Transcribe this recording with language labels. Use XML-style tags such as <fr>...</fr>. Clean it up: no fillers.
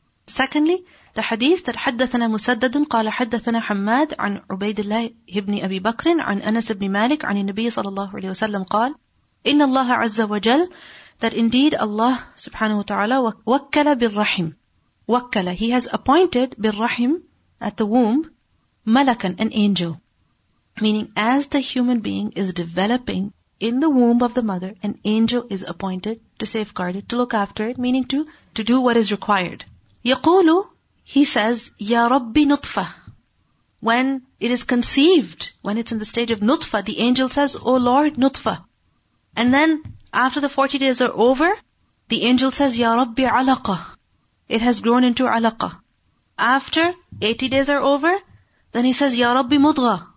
<en>Secondly, the hadith that</en> <ar>حدثنا مسدد قال حدثنا حماد عن عبيد الله ابن أبي بكر عن أنس بن مالك عن النبي صلى الله عليه وسلم قال إن الله عز وجل,</ar> <en>that indeed Allah subhanahu wa ta'ala</en> <ar>وكل بالرحم,</ar> <en>وكل, he has appointed بالرحم at the womb</en> <ar>ملكا,</ar> <en>an angel, meaning as the human being is developing in the womb of the mother, an angel is appointed to safeguard it, to look after it, meaning to do what is required.</en> <ar>يَقُولُ,</ar> <en>he says,</en> <ar>يَا رَبِّ نُطْفَ.</ar> <en>When it is conceived, when it's in the stage of nutfa, the angel says, O Lord, nutfa. And then, after the 40 days are over, the angel says,</en> <ar>يَا رَبِّ عَلَقَ.</ar> <en>It has grown into عَلَقَ. After 80 days are over, then he says,</en> <ar>يَا رَبِّ مُضْغَ.</ar>